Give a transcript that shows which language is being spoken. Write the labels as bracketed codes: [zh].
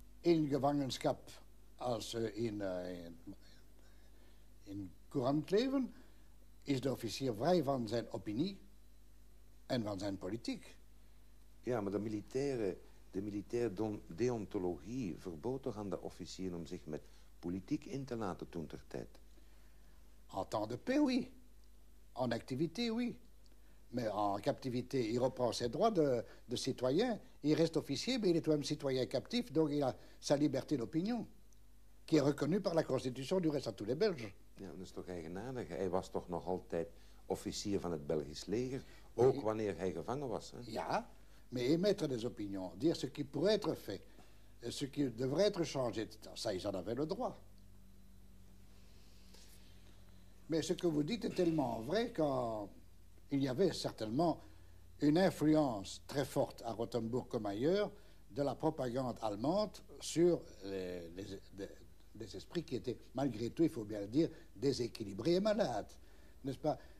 [nl] In gevangenschap als in courant leven is de officier vrij van zijn opinie en van zijn politiek. Ja, maar de militaire deontologie verbood toch aan de officier om zich met politiek in te laten toen ter tijd? [fr] En temps de paix, oui. En activité, oui. Mais en captivité, il reprend ses droits de citoyen. Il reste officier, mais il est tout même citoyen captif, donc il a sa liberté d'opinion, qui est reconnue par la Constitution du reste à tous les Belges. [nl] Ja, dat is toch eigenaardig. Hij was toch nog altijd officier van het Belgisch leger, ook oui. Wanneer hij gevangen was. Hè? [fr] Ja, mais émettre des opinions, dire ce qui pourrait être fait, ce qui devrait être changé, ça, ils en avaient le droit. Mais ce que vous dites est tellement vrai qu'il y avait certainement une influence très forte à Rothenburg comme ailleurs de la propagande allemande sur les esprits qui étaient, malgré tout, il faut bien le dire, déséquilibrés et malades. N'est-ce pas?